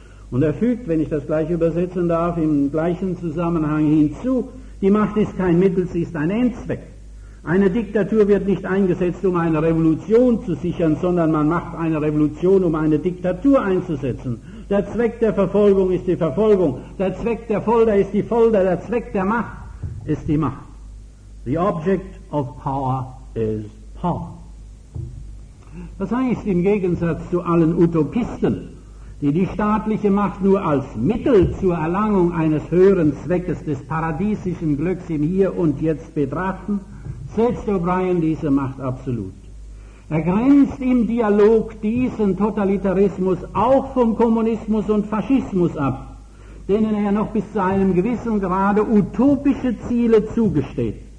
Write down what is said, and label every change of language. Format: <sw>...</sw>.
<de>Und er fügt, wenn ich das gleich übersetzen darf, im gleichen Zusammenhang hinzu, die Macht ist kein Mittel, sie ist ein Endzweck. Eine Diktatur wird nicht eingesetzt, um eine Revolution zu sichern, sondern man macht eine Revolution, um eine Diktatur einzusetzen. Der Zweck der Verfolgung ist die Verfolgung. Der Zweck der Folter ist die Folter. Der Zweck der Macht ist die Macht.</de> <en>The object of power is power.</en> <de>Das heißt, im Gegensatz zu allen Utopisten, die die staatliche Macht nur als Mittel zur Erlangung eines höheren Zweckes des paradiesischen Glücks im Hier und Jetzt betrachten, setzt O'Brien diese Macht absolut. Er grenzt im Dialog diesen Totalitarismus auch vom Kommunismus und Faschismus ab, denen er noch bis zu einem gewissen Grade utopische Ziele zugesteht.</de>